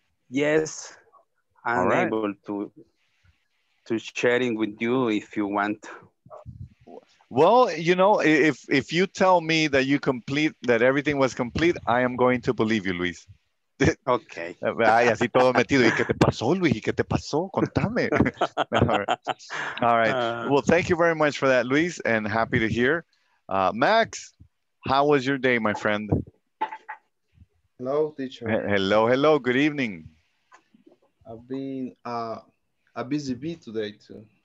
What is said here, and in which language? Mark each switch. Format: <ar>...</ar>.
<en>Yes, I'm all right. able to sharing with you if you want. Well, you know, if you tell me that you complete, that everything was complete, I am going to believe you, Luis. Okay.</en> <es>Ay, así todo metido. ¿Y qué te pasó, Luis? ¿Y qué te pasó? Contame.</es> <en>All right. Well, thank you very much for that, Luis, and happy to hear. Max, how was your day, my friend? Hello, teacher. Hello. Good evening. I've been a busy bee today, too.</en>